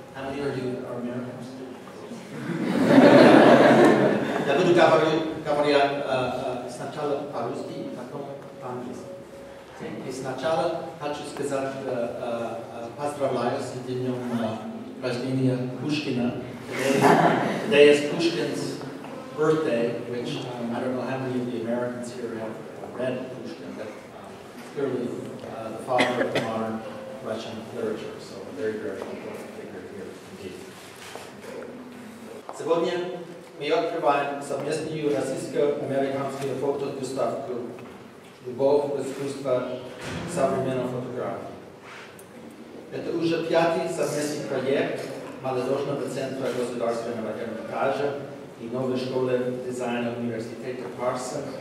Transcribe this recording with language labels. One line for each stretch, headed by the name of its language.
English: How many of you are Americans?
Russian: Я буду говорить сначала по-русски, потом по-английски. Сначала хочу сказать, поздравляю с днем рождения Пушкина.
English: Today is Pushkin's birthday, which I don't know how many of the Americans here have read Pushkin, but clearly the father of modern Russian literature, so a very, very important figure here indeed.
Russian: Сегодня мы открываем совместную российско-американскую фото выставку «Любовь в искусстве современной фотографии». Это уже пятый совместный проект Молодежного центра государственного Эрмитажа и новой школы дизайна университета Парса.